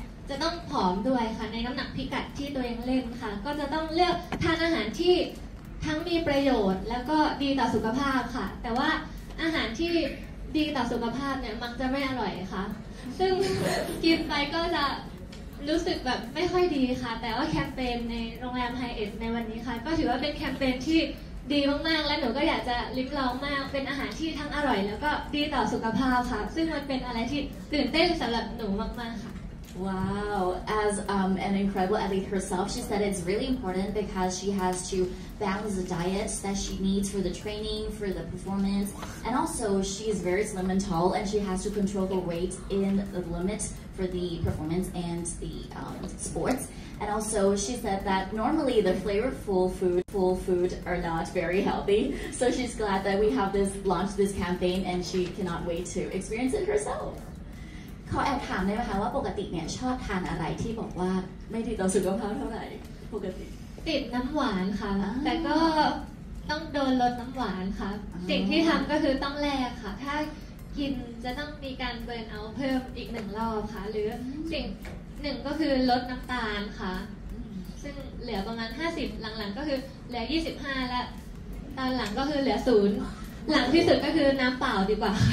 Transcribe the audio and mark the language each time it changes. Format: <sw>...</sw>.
<th>จะต้องผอมด้วยค่ะในน้ำหนักพิกัดที่ตัวเองเล่นค่ะก็จะต้องเลือกทานอาหารที่ทั้งมีประโยชน์แล้วก็ดีต่อสุขภาพค่ะแต่ว่าอาหารที่ดีต่อสุขภาพเนี่ยมักจะไม่อร่อยค่ะซึ่งกินไปก็จะ รู้สึกแบบไม่ค่อยดีค่ะแต่ว่าแคมเปญในโรงแรมไฮเอทในวันนี้ค่ะก็ถือว่าเป็นแคมเปญที่ดีมากๆและหนูก็อยากจะลิ้มลองมากเป็นอาหารที่ทั้งอร่อยแล้วก็ดีต่อสุขภาพค่ะซึ่งมันเป็นอะไรที่ตื่นเต้นสำหรับหนูมากๆค่ะ</th> <en>Wow, as an incredible athlete herself, she said it's really important because she has to balance the diet that she needs for the training, for the performance, and also she is very slim and tall, and she has to control the weight in the limit for the performance and the sports. And also she said that normally the flavorful food are not very healthy, so she's glad that we have this launched this campaign, and she cannot wait to experience it herself.</en> <th>เขาแอบถามได้ไหมคะว่าปกติเนี่ยชอบทานอะไรที่บอกว่าไม่ดีต่อสุขภาพเท่าไหร่ปกติ ติดน้ำหวานค่ะแต่ก็ต้องโดนลดน้ำหวานค่ะสิ่งที่ทำก็คือต้องแลกค่ะถ้ากินจะต้องมีการเบิร์นเอาเพิ่มอีกหนึ่งรอบค่ะหรือสิ่งหนึ่งก็คือลดน้ำตาลค่ะซึ่งเหลือประมาณ50หลังๆก็คือเหลือ25แล้วตอนหลังก็คือเหลือ0หลังที่สุดก็คือน้ำเปล่าดีกว่า</th>